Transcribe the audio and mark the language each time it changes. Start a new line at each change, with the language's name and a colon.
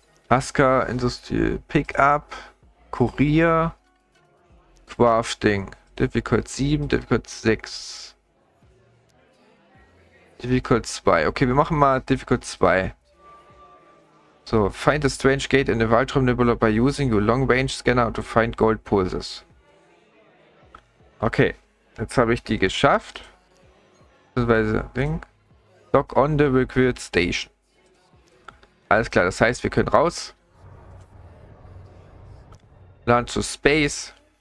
English: Aska, Industrial Pickup, Kurier, Crafting, Difficult 7, Difficult 6, Difficult 2.
German: Okay, wir machen mal Difficult 2.
English: So, find a strange gate in the Waldrum Nebula by using your long range scanner to find gold pulses.
German: Okay, jetzt habe ich die geschafft. Beziehungsweise, Ding.
English: Dock on the required station.
German: Alles klar, das heißt, wir können raus.
English: Land to space.